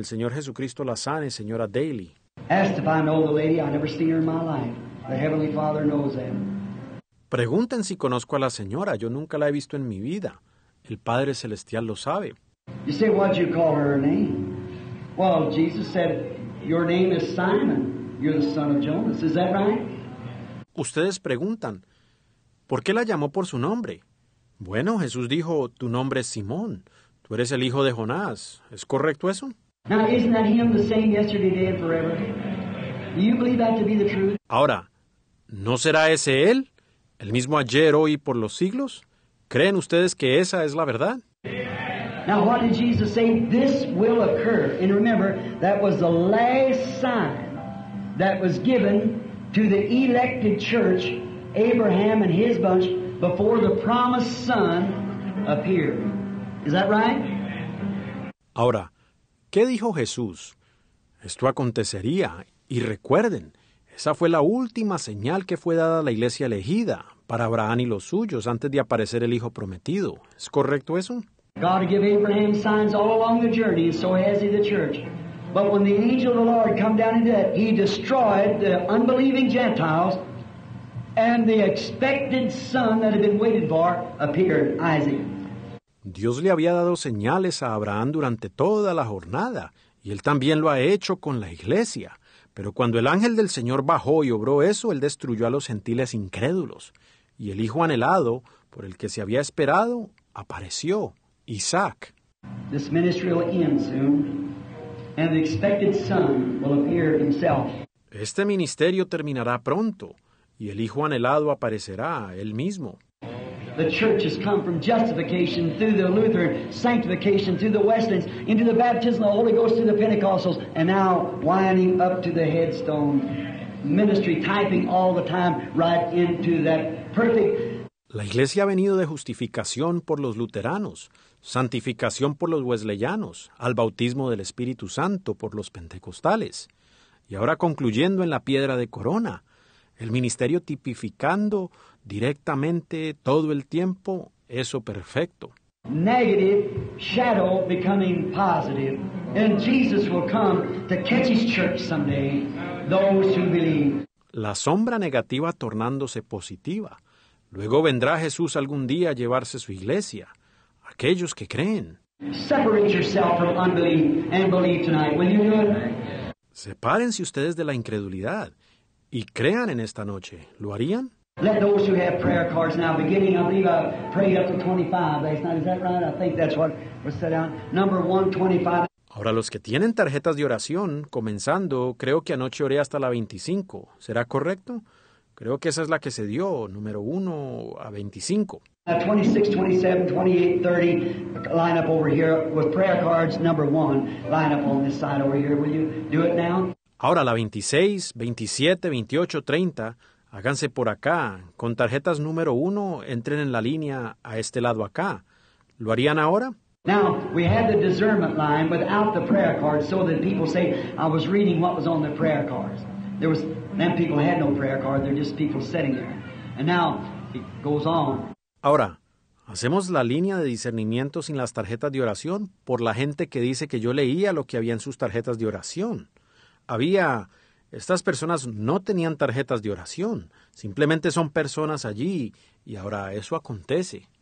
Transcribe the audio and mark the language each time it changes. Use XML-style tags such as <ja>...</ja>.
<es>El Señor Jesucristo la sane, señora Daly.</es> <en>Ask if I know the lady. I've never seen her in my life. The Heavenly Father knows that.</en> <es>Pregunten si conozco a la señora. Yo nunca la he visto en mi vida. El Padre Celestial lo sabe.</es> <en>You say, what do you call her name? Well, Jesus said, your name is Simon. You're the son of Jonas. Is that right?</en> <es>Ustedes preguntan, ¿por qué la llamó por su nombre? Bueno, Jesús dijo, tu nombre es Simón. Tú eres el hijo de Jonás. ¿Es correcto eso?</es> <en>Now, isn't that him the same yesterday, today, and forever? Do you believe that to be the truth?</en> <es>Ahora, ¿no será ese él? ¿El mismo ayer, hoy y por los siglos? ¿Creen ustedes que esa es la verdad?</es> <en>Now, what did Jesus say? This will occur. And remember, that was the last sign that was given to the elected church, Abraham and his bunch, before the promised son appeared. Is that right?</en> <es>Ahora, ¿qué dijo Jesús? Esto acontecería. Y recuerden, esa fue la última señal que fue dada a la iglesia elegida para Abraham y los suyos antes de aparecer el Hijo Prometido. ¿Es correcto eso?</es> <en>God gave Abraham signs all along the journey, and so has he the church. But when the angel of the Lord come down into that, he destroyed the unbelieving Gentiles, and the expected son that had been waited for appeared, Isaac.</en> <es>Dios le había dado señales a Abraham durante toda la jornada, y él también lo ha hecho con la iglesia. Pero cuando el ángel del Señor bajó y obró eso, él destruyó a los gentiles incrédulos. Y el hijo anhelado, por el que se había esperado, apareció. Isaac.</es> <en>This ministry will end soon, and the expected son will appear himself.</en> <es>Este ministerio terminará pronto y el Hijo anhelado aparecerá él mismo.</es> <en>The church has come from justification through the Lutheran, sanctification through the Wesleyans, into the baptism of the Holy Ghost through the Pentecostals, and now winding up to the headstone ministry, typing all the time right into that perfect.</en> <es>La iglesia ha venido de justificación por los luteranos, santificación por los wesleyanos, al bautismo del Espíritu Santo por los pentecostales, y ahora concluyendo en la piedra de corona, el ministerio tipificando directamente todo el tiempo eso perfecto.</es> <en>Negative shadow becoming positive, and Jesus will come to catch his church someday, those who believe.</en> <es>La sombra negativa tornándose positiva. Luego vendrá Jesús algún día a llevarse su iglesia, aquellos que creen.</es> <en>Separate yourself from unbelief and believe tonight. Will you do it?</en> <es>Sepárense ustedes de la incredulidad y crean en esta noche. ¿Lo harían?</es> <en>Let those who have prayer cards now, beginning, I believe I prayed up to 25 last night. Is that right? I think that's what was set out. Number 125.</en> <es>Ahora los que tienen tarjetas de oración, comenzando, creo que anoche oré hasta la 25. ¿Será correcto? Creo que esa es la que se dio, número 1 a 25.</es> <en>26, 27, 28, 30, line up over here with prayer cards, number 1, line up on this side over here, will you do it now?</en> <es>Ahora la 26, 27, 28, 30, háganse por acá, con tarjetas número 1, entren en la línea a este lado acá. ¿Lo harían ahora?</es> <en>Now, we have the discernment line without the prayer cards, so that people say, I was reading what was on the prayer cards. There was, then people had no prayer card, they're just people sitting there. And now, it goes on.</en> <es>Ahora, hacemos la línea de discernimiento sin las tarjetas de oración por la gente que dice que yo leía lo que había en sus tarjetas de oración. Había, estas personas no tenían tarjetas de oración, simplemente son personas allí, y ahora eso acontece.</es>